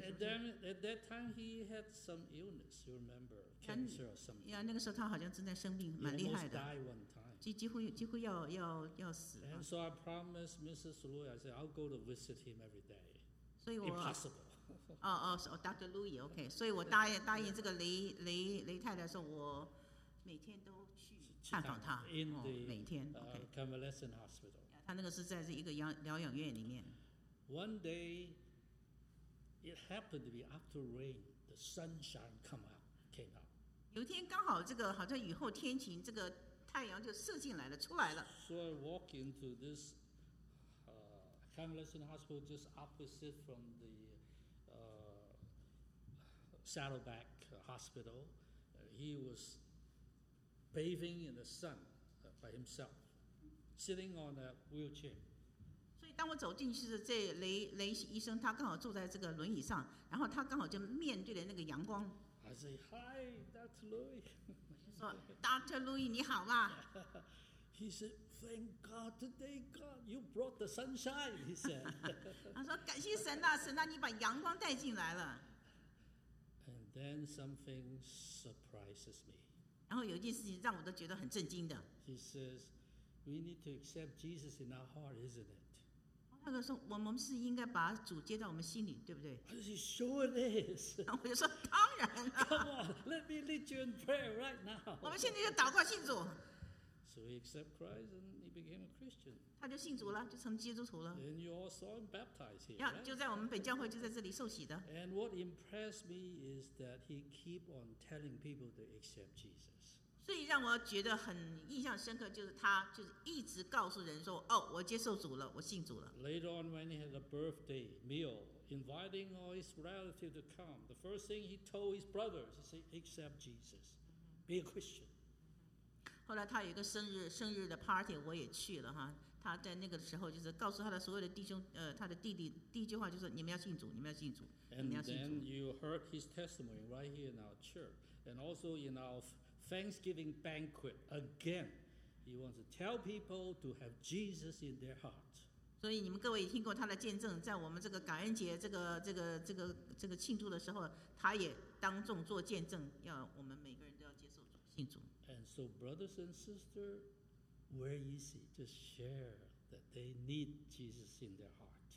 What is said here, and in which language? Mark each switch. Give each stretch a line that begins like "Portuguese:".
English: And then at that time he had some illness, you remember, cancer or something.
Chinese: 那个时候他好像正在生病，蛮厉害的。
English: He almost died one time.
Chinese: 几乎要死。
English: And so I promised Mrs. Lu, I said I'll go to visit him every day. Impossible.
Chinese: 哦 ，Dr. Louis, OK， 所以我答应这个雷太太说，我每天都去探访他
English: in the,
Chinese: 每天
English: convalescent hospital.
Chinese: 他那个是在一个疗养院里面。
English: One day it happened to be after rain, the sunshine came out.
Chinese: 有一天刚好这个好像雨后天晴，这个太阳就射进来了，出来了。
English: So I walk into this Convalescent Hospital just opposite from the Saddleback Hospital. He was bathing in the sun by himself, sitting on a wheelchair.
Chinese: 所以当我走进去的这雷医生，他刚好坐在这个轮椅上，然后他刚好就面对了那个阳光。
English: I say hi, Dr. Louis.
Chinese: 说 Dr. Louis 你好吗？
English: He said, "Thank God today, God, you brought the sunshine." He said.
Chinese: 他说感谢神呐、啊，神呐、啊，你把阳光带进来了。
English: And then something surprises me.
Chinese: 然后有一件事情让我都觉得很震惊的。
English: He says, "We need to accept Jesus in our heart, isn't it?"
Chinese: 他就说我们是应该把主接到我们心里，对不对
English: ？I say, "Sure it is."
Chinese: 然后我就说当然了。
English: Come on, let me lead you in prayer right now.
Chinese: 我们现在就祷告信主。
English: So he accepted Christ and he became a Christian.
Chinese: 他就信主了，就成基督徒了。
English: And you all saw him baptized here.
Chinese: 就在我们北教会，就在这里受洗的。
English: And what impressed me is that he keep on telling people to accept Jesus.
Chinese: 所以让我觉得很印象深刻，就是他就是一直告诉人说，哦，我接受主了，我信主了。
English: Later on, when he had a birthday meal, inviting all his relatives to come, the first thing he told his brothers is, "Accept Jesus, be a Christian."
Chinese: 后来他有一个生日的 party， 我也去了哈。他在那个时候就是告诉他的所有的弟兄，他的弟弟第一句话就是你们要信主，你们要信主，你们要信主。
English: And then you heard his testimony right here in our church, and also in our Thanksgiving banquet again. He wants to tell people to have Jesus in their heart.
Chinese: 所以你们各位也听过他的见证，在我们这个感恩节这个庆祝的时候，他也当众做见证，要我们每个人都要接受主。
English: And so, brothers and sisters, very easy. Just share that they need Jesus in their heart.